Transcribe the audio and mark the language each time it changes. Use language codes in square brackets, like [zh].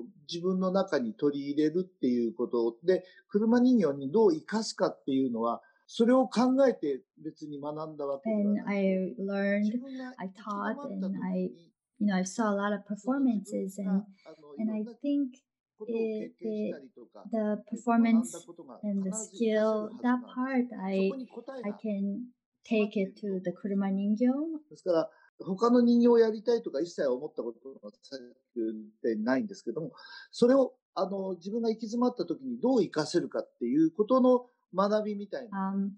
[ja] 自分の中に取り入れるっていうことで、車人形にどう生かすかっていうのは、それを考えて別に学んだわけではない。 [en] And I learned, I taught, and I, you know, I saw a lot of performances, and I think the performance and the skill, that part, I can take it to the 車人形。 [ja] ですから、他の人形をやりたいとか一切思ったことは最近でないんですけども、それを自分が行き詰まった時にどう活かせるかっていうことの学びみたいな。